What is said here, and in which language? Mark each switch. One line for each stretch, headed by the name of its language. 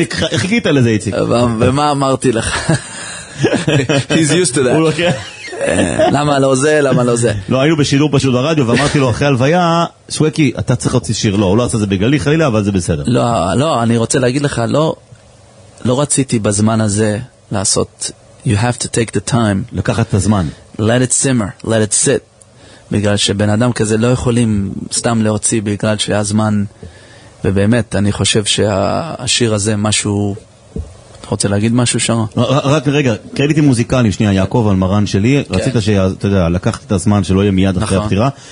Hebrew: איציק, חיכית לזה, איציק. ומה אמרתי לך?
English: He's used to that.
Hebrew: הוא לוקח. למה לא זה, למה לא זה. לא, היינו בשידור פשוט ברדיו, ואמרתי לו, אחרי הלוויה, שווקי, אתה צריך להוציא שיר, לא, הוא לא עשה זה בגלי, חלילה, אבל זה בסדר. לא, לא, אני רוצה להגיד לך, לא... לא רציתי בזמן הזה לעשות,
English: you have to take the time.
Hebrew: לקחת את הזמן.
English: Let it simmer, let it sit.
Hebrew: בגלל שבן אדם כזה לא יכולים סתם להוציא בגלל שהיה זמן, ובאמת, אני חושב שהשיר הזה משהו, אתה רוצה להגיד משהו שם? רק רגע, קרדיטים מוזיקליים, שנייה, יעקב על מרן שלי, רצית שלקחת את הזמן שלא יהיה מיד אחרי הפטירה.